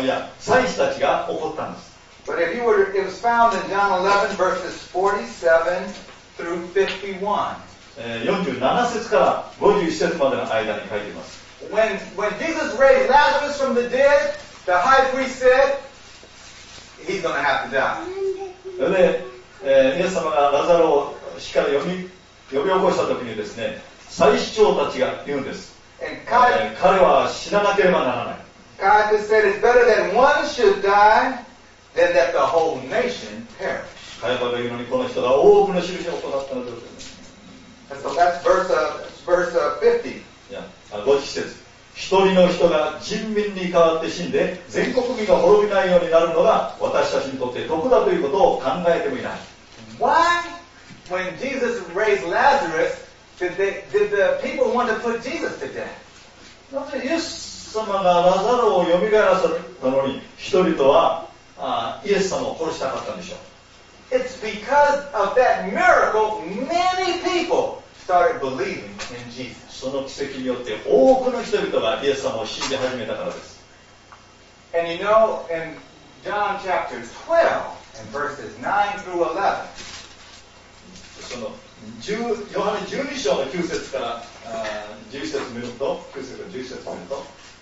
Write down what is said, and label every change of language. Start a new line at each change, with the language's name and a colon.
Japanese: いや、祭司たちが怒ったんです。
English: But if you were, it was found in John 11 verses 47 through 51.
Japanese: 47節から51節までの間に書いています。
English: When Jesus raised Lazarus from the dead, the high priest said, he's going to have to die.
Japanese: で、イエス様がラザロを死から呼び起こした時にですね、祭司長たちが言うんです。彼は死ななければならない。
English: Caiaphas said, it's better that one should die. Then that the whole nation perish.
Japanese: カヤパが言うのにこの人が多くの印を行ったのです。
English: So that's verse 50.
Japanese: 50節。一人の人が人民に代わって死んで、全国民が滅びないようになるのが私たちにとって得だということを考えてもいない。
English: Why, when Jesus raised Lazarus, did the people want to put Jesus to death?
Japanese: なぜイエス様がラザロをよみがえらせたのに、人々はイエス様を殺したかったんでしょう。
English: It's because of that miracle many people started believing in Jesus.
Japanese: その奇跡によって多くの人々がイエス様を信じ始めたからです。
English: And you know, in John chapter 12 and verses 9 through 11,
Japanese: その10ヨハネ12章の9節から11節見ると、9節から11節見ると、